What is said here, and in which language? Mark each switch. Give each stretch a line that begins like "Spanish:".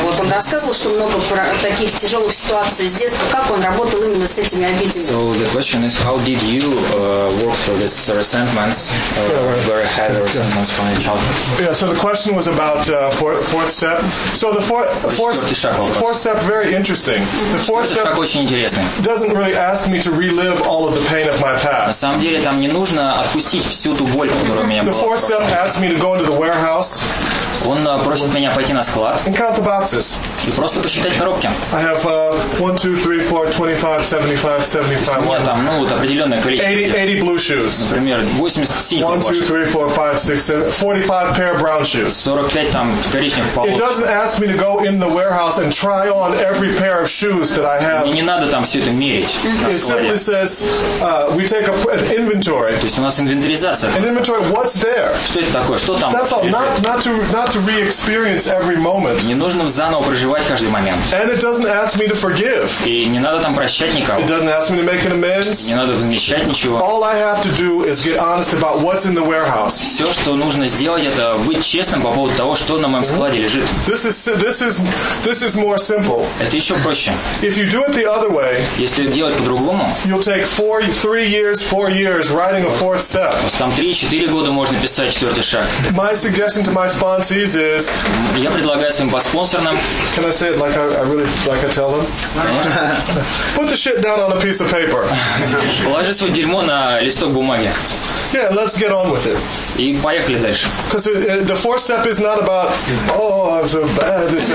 Russian: Вот он рассказывал, что много таких тяжелых ситуаций с детства. Как он работал именно с этими обидами?
English: So the question is, how did you work for this resentments very heavy resentments from each other? Yeah, so the question was about fourth step. So the fourth step, very interesting. The fourth step doesn't really ask me to relive all of the pain of my past.
Russian: На самом деле, там не нужно отпустить всю ту боль, которая у меня была.
English: The fourth step asks me to go into the warehouse.
Russian: Он просит меня пойти на склад и просто посчитать коробки.
English: I have 1, 2, 3, 4, 25, 75, 75.
Russian: У меня там, ну, вот определенное количество.
English: 80 blue shoes.
Russian: Например, 87.
English: 1, 2, 3, 4, 5, 6, 7, 45 pair of brown shoes.
Russian: 45 там коричневых полос.
English: It doesn't ask me to go in the warehouse and try on every pair of shoes that I have.
Russian: Мне не надо там все это мерить.
English: It simply says we take an inventory.
Russian: То есть у нас инвентаризация.
English: An inventory. What's there?
Russian: Что это такое? Что там?
English: That's all. Not to re-experience every moment.
Russian: Не нужно заново проживать каждый момент.
English: And it doesn't ask me to forgive.
Russian: И не надо там прощать никого.
English: It doesn't ask me to make an amends.
Russian: Не надо возмещать ничего.
English: All I have to do is get honest about what's in the warehouse.
Russian: Все, что нужно сделать, это быть честным по поводу того, что на моем складе лежит.
English: This is more simple.
Russian: Это еще проще.
English: If you do it the other way,
Russian: если делать по-другому,
English: you'll take three years writing a fourth step.
Russian: Там 3-4 года можно писать 4-й шаг.
English: My suggestion to my sponsors is.
Russian: Я предлагаю своим подспонсорам.
English: Can I say it like I really tell them? Put the shit down on a piece of paper.
Russian: Положи свое дерьмо на листок бумаги.
English: Yeah, let's get on with it.
Russian: И поехали дальше.
English: Because the fourth step is not about, oh, I'm so bad.